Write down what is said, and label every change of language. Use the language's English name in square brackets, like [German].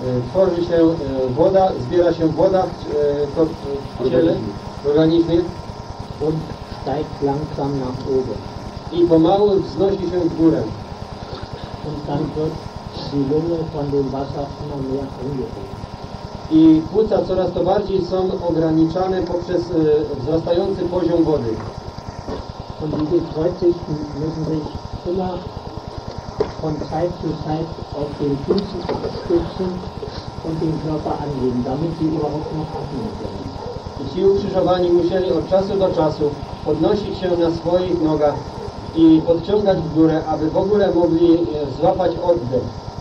[Polish] Tworzy się woda, zbiera się woda w ciele, w organizmie [German] und steigt langsam nach oben. [Polish] I pomału wznosi się w górę. [German] Und dann wird die Lunge von dem Wasser immer mehr angehoben. [Polish] i płuca coraz to bardziej są ograniczane poprzez wzrastający poziom wody. [German] Und diese Kreuzigten müssen sich immer von Zeit zu Zeit auf den Füßen stützen und den Körper anheben, damit sie überhaupt noch atmen können. [Polish] I ci ukrzyżowani musieli od czasu do czasu podnosić się na swoich nogach i podciągać w górę, aby w ogóle mogli złapać oddech.